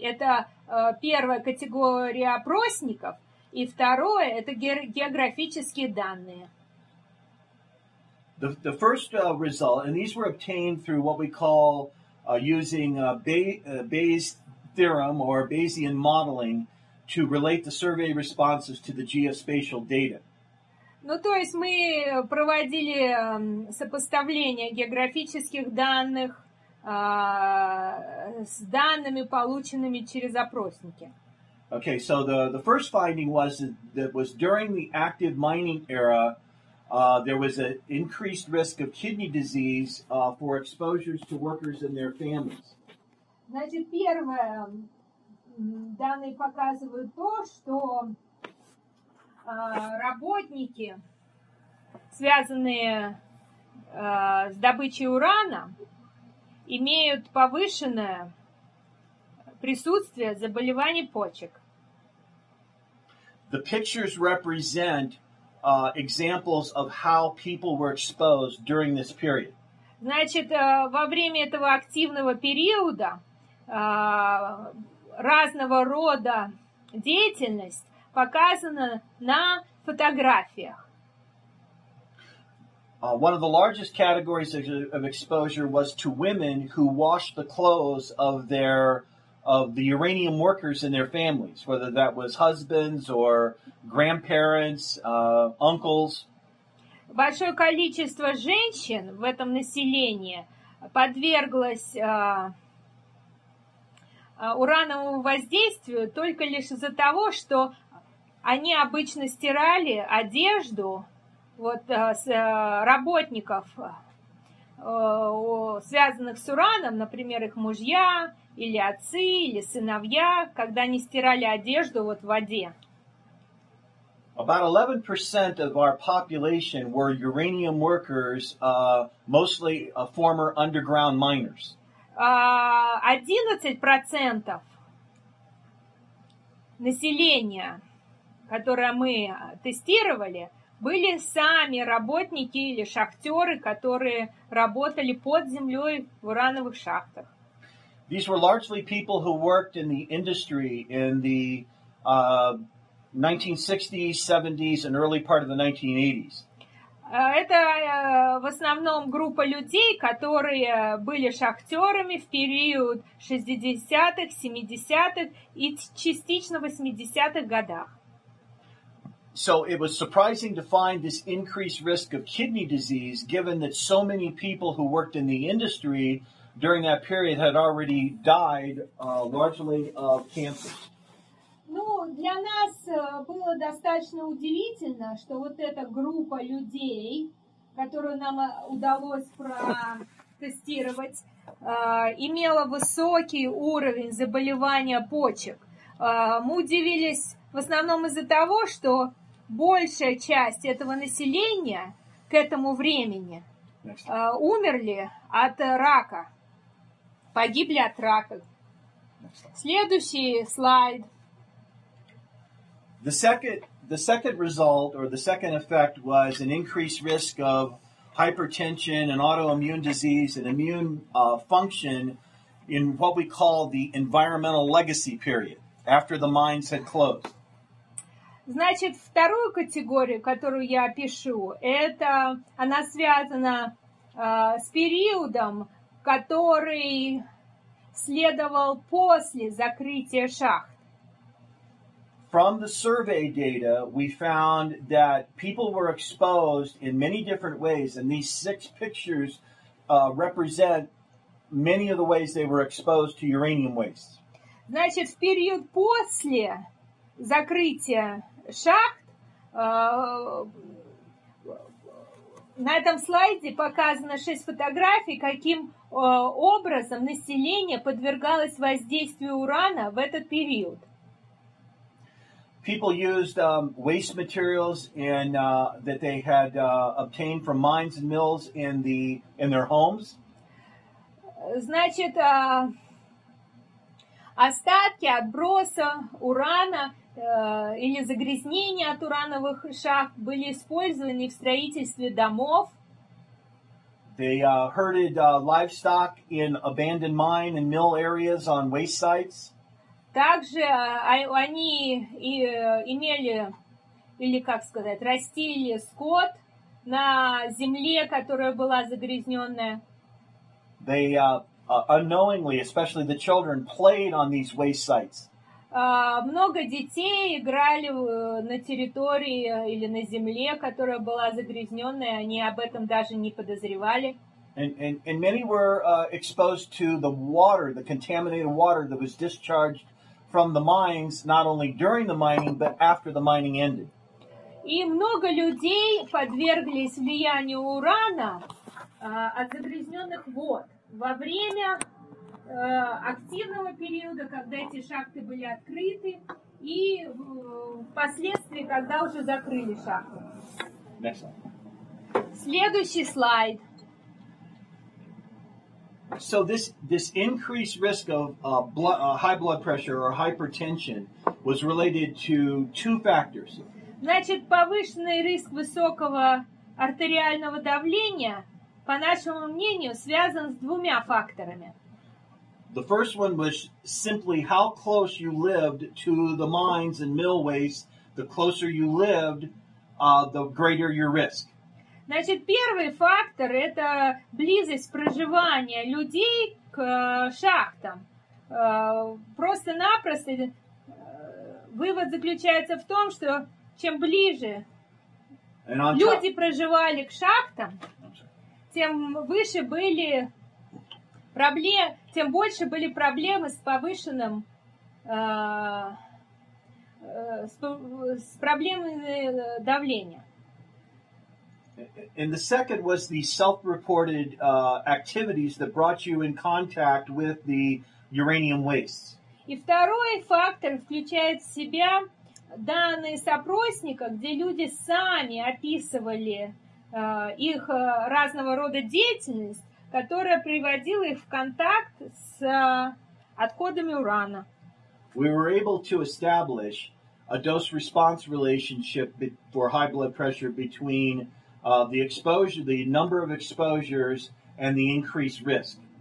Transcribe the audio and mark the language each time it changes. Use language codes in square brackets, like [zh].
[ru] Это первая категория опросников, и второе – это географические данные. [en] The first result, and these were obtained through what we call using Bayes theorem or Bayesian modeling to relate the survey responses to the geospatial data. [ru] Ну, то есть мы проводили сопоставление географических данных с данными, полученными через опросники. [en] Okay, so the first finding was that was during the active mining era, there was an increased risk of kidney disease for exposures to workers and their families. [ru] Значит, первое, данные показывают то, что работники, связанные с добычей урана, имеют повышенное присутствие заболеваний почек. [en] The pictures represent examples of how people were exposed during this period. [ru] Значит, во время этого активного периода разного рода деятельность показана на фотографиях. [en] One of the largest categories of exposure was to women who washed the clothes of their of the uranium workers in their families, whether that was husbands or grandparents, uncles. [ru] Большое количество женщин в этом населении подверглось урановому воздействию только лишь из-за того, что они обычно стирали одежду работников, связанных с ураном, например, их мужья, или отцы, или сыновья, когда они стирали одежду вот в воде. [en] About 11% of our population were uranium workers, mostly former underground miners. [ru] 11% населения, которое мы тестировали, были сами работники или шахтеры, которые работали под землей в урановых шахтах. [en] These were largely people who worked in the industry in the 1960s, 70s, and early part of the 1980s. [ru] Это в основном группа людей, которые были шахтерами в период 60-х, 70-х и частично 80-х годах. [en] So it was surprising to find this increased risk of kidney disease, given that so many people who worked in the industry during that period had already died largely of cancer. [ru] Ну, для нас было достаточно удивительно, что вот эта группа людей, которую нам удалось протестировать, имела высокий уровень заболевания почек. Мы удивились в основном из-за того, что большая часть этого населения к этому времени умерли от рака, погибли от рака. Следующий слайд. [en] The second result or the second effect was an increased risk of hypertension and autoimmune disease and immune function in what we call the environmental legacy period, after the mines had closed. [ru] Значит, вторую категорию, которую я пишу, это она связана с периодом, который следовал после закрытия шахт. [en] From the survey data, we found that people were exposed in many different ways, and these six pictures represent many of the ways they were exposed to uranium waste. [ru] Значит, в период после закрытия шахт, на этом слайде показано шесть фотографий, каким образом население подвергалось воздействию урана в этот период. [en] People used waste materials and that they had obtained from mines and mills in their homes. [ru] Значит, остатки отброса урана или загрязнения от урановых шахт были использованы в строительстве домов. [en] They herded livestock in abandoned mine and mill areas on waste sites. [ru] Также они имели, или как сказать, растили скот на земле, которая была загрязненная. [en] They unknowingly, especially the children, played on these waste sites. [ru] Много детей играли на территории или на земле, которая была загрязненная, они об этом даже не подозревали. [en] And many were exposed to the water, the contaminated water that was discharged from the mines, not only during the mining, but after the mining ended. [ru] И много людей подверглись влиянию урана от загрязненных вод во время активного периода, когда эти шахты были открыты, и впоследствии, когда уже закрыли шахты. [en] Next slide. [ru] Следующий слайд. [en] So this increased risk of high blood pressure or hypertension was related to two factors. [ru] Значит, повышенный риск высокого артериального давления, по нашему мнению, связан с двумя факторами. [en] The first one was simply how close you lived to the mines and mill waste. The closer you lived, the greater your risk. [ru] Значит, первый фактор – это близость проживания людей к шахтам. Просто-напросто вывод заключается в том, что чем ближе люди проживали к шахтам, тем выше были проблемы, тем больше были проблемы с повышенным с проблемами давления. [en] And the second was the self-reported activities that brought you in contact with the uranium wastes. [ru] И второй фактор включает в себя данные с опросника, где люди сами описывали их разного рода деятельность, которая приводила их в контакт с отходами урана. [en] We were able to establish a dose-response relationship for high blood pressure between the exposure, the number of exposures, and the increased risk.